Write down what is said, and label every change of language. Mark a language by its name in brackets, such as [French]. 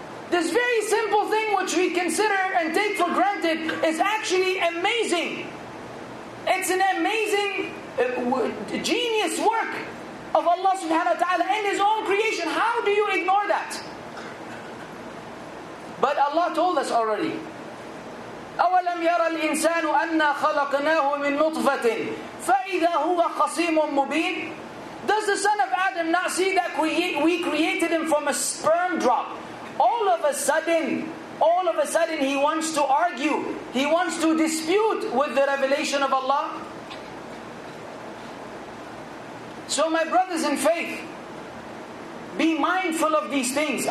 [English] This very simple thing which we consider and take for granted is actually amazing. It's an amazing genius work of Allah subhanahu wa ta'ala in His own creation. How do you ignore that? But Allah told us already, [Arabic] أَوَلَمْ يَرَى الْإِنسَانُ أَنَّا خَلَقْنَاهُ مِنْ نُطْفَةٍ فَإِذَا هُوَ خَصِيمٌ مُبِينٌ. [English] Does the son of Adam not see that we created him from a sperm drop? All of a sudden he wants to argue, he wants to dispute with the revelation of Allah. So my brothers in faith, be mindful of these things.